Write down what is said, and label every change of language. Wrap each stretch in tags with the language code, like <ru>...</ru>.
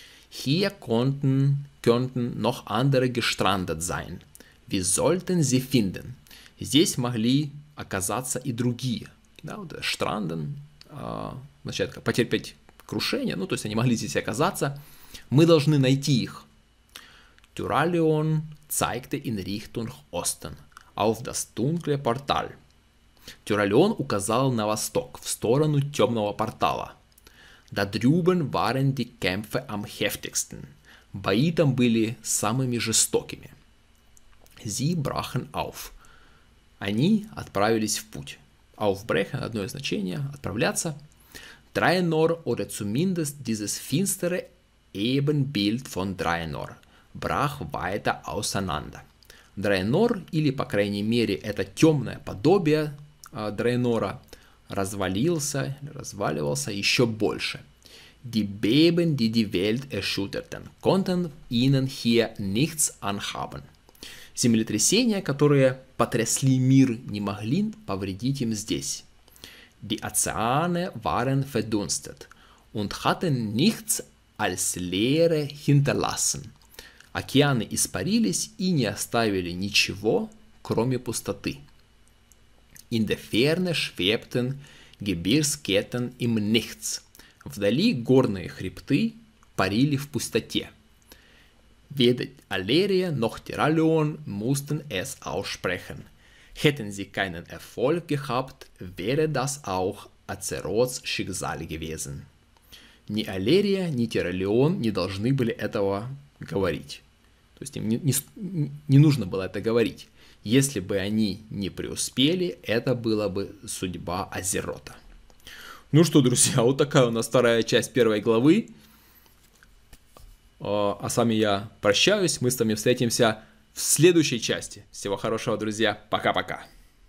<de>Hier könnten noch andere gestrandet sein. Wie sollten sie finden?</de> <ru>Здесь могли оказаться и другие. Да, вот stranden, значит, потерпеть крушение. Ну, то есть они могли здесь оказаться. Мы должны найти их.</ru> <de>Tyrallion zeigte in Richtung Osten auf das dunkle Portal.</de> <ru>Tyrallion указал на восток, в сторону темного портала.</ru> <de>Da drüben waren die Kämpfe am heftigsten.</de> <ru>Бои там были самыми жестокими.</ru> <de>Sie brachen auf.</de> <ru>Они отправились в путь. Aufbrechen, одно из значений, отправляться.</ru> <de>Draenor, oder zumindest dieses finstere Ebenbild von Draenor, brach weiter auseinander.</de> <ru>Draenor, или, по крайней мере, это темное подобие Draenora, разваливался еще больше.</ru> <de>Die Beben, die die Welt erschütterten, konnten ihnen hier nichts anhaben.</de> <ru>Землетрясения, которые потрясли мир, не могли повредить им здесь.</ru> <de>Die Ozeane waren verdunstet und hatten nichts als Leere hinterlassen.</de> <ru>Океаны испарились и не оставили ничего, кроме пустоты.</ru> <de>In der Ferne schwebten Gebirgsketten im Nichts.</de> <ru>Вдали горные хребты парили в пустоте.</ru> <de>Weder Alleria noch Tyrallion mussten es aussprechen. Hätten sie keinen Erfolg gehabt, wäre das auch Azeroths Schicksal gewesen.</de> <ru>Ни Алерия, ни Тиралион не должны были этого говорить. То есть им не нужно было это говорить. Если бы они не преуспели, это была бы судьба Азерота. Ну что, друзья, вот такая у нас вторая часть первой главы. А с вами я прощаюсь. Мы с вами встретимся в следующей части. Всего хорошего, друзья. Пока-пока.</ru>